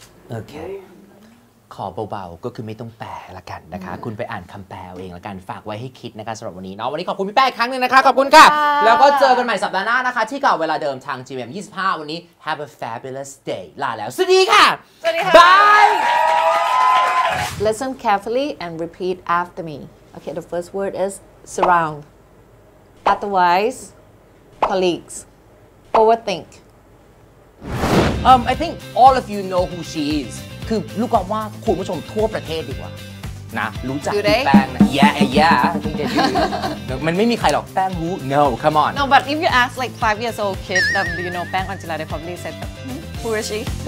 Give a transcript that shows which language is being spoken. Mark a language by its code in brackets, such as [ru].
[th] โอเคขอเบาๆก็คือไม่ต้องแปลละกันนะคะคุณไปอ่านคำแปลเองละกันฝากไว้ให้คิดนะคะสำหรับวันนี้เนาะวันนี้ขอบคุณพี่แป้งครั้งนึงนะคะขอบคุณค่ะแล้วก็เจอกันใหม่สัปดาห์หน้านะคะที่กับเวลาเดิมทาง GMM 25วันนี้ [en] Have a fabulous day [th] ลาแล้วสวัสดีค่ะ สวั สดีค่ะ [en] Bye Listen carefully and repeat after me Okay the first word is surround Otherwise colleagues Overthink I think all of you know who she is [th] คือลูกก็ว่าคุณผู้ชมทั่วประเทศดีกว่านะรู้จักพี่แป้งนะ yeah มันไม่มีใครหรอกแป้งรู้ [en] no come on no but if you ask like 5 years old kid do you know แป้งอันจิลาเดย์ probably said who is she